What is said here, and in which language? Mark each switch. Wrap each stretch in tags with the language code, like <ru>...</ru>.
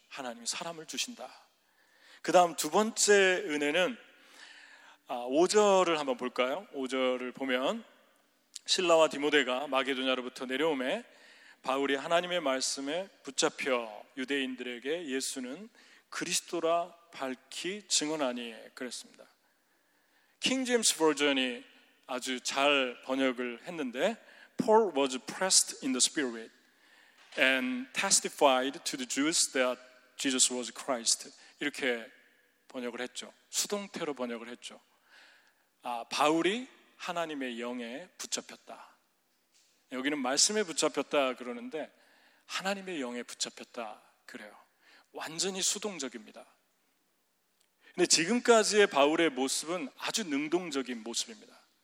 <ko>하나님이 사람을 주신다. 그 다음 두 번째 은혜는 5절을 한번 볼까요? 5절을 보면 실라와 디모데가 마게도냐로부터 내려오매 바울이 하나님의 말씀에 붙잡혀 유대인들에게 예수는 그리스도라 밝히 증언하니 그랬습니다. 킹 제임스 버전이 아주 잘 번역을 했는데</ko> <en>Paul was pressed in the spirit and testified to the Jews that Jesus was Christ.</en> <ko>이렇게 번역을 했죠. 수동태로 번역을 했죠. 바울이 하나님의 영에 붙잡혔다. 여기는 말씀에 붙잡혔다 그러는데 하나님의 영에 붙잡혔다 그래요. 완전히 수동적입니다. 근데 지금까지의 바울의 모습은 아주 능동적인 모습입니다.</ko>